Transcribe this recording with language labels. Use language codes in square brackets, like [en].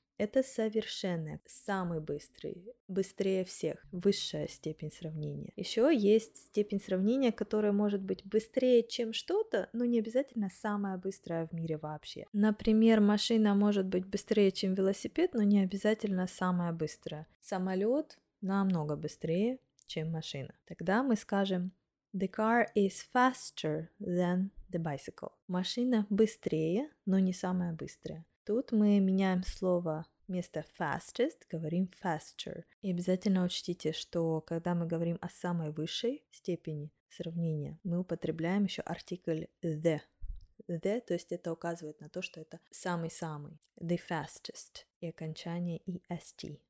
[ru] Это совершенное, самый быстрый, быстрее всех, высшая степень сравнения. Еще есть степень сравнения, которая может быть быстрее, чем что-то, но не обязательно самая быстрая в мире вообще. Например, машина может быть быстрее, чем велосипед, но не обязательно самая быстрая. Самолет намного быстрее, чем машина. Тогда мы скажем [en] «The car is faster than the bicycle». [ru] Машина быстрее, но не самая быстрая. Тут мы меняем слово вместо fastest, говорим faster. И обязательно учтите, что когда мы говорим о самой высшей степени сравнения, мы употребляем еще артикль the. The, то есть это указывает на то, что это самый-самый, the fastest, и окончание est.